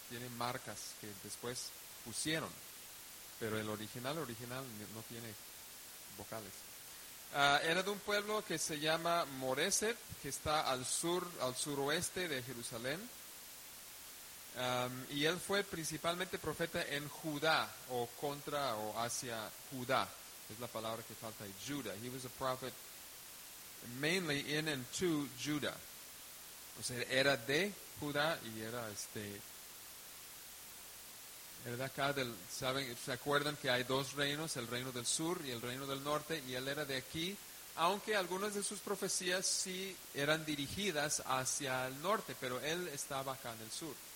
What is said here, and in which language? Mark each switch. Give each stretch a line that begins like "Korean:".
Spanish: Tiene marcas que después pusieron, pero el original no tiene vocales. Era de un pueblo que se llama Moreset, que está al suroeste de Jerusalén. Y él fue principalmente profeta en Judá, o contra, o hacia Judá. Es la palabra que falta ahí, Judah.
English: He was a prophet mainly in and to Judah.
Spanish: O sea, era de Judá y era de acá, ¿saben? ¿Se acuerdan que hay dos reinos, el reino del sur y el reino del norte? Y él era de aquí, aunque algunas de sus profecías sí eran dirigidas hacia el norte, pero él estaba acá en el sur.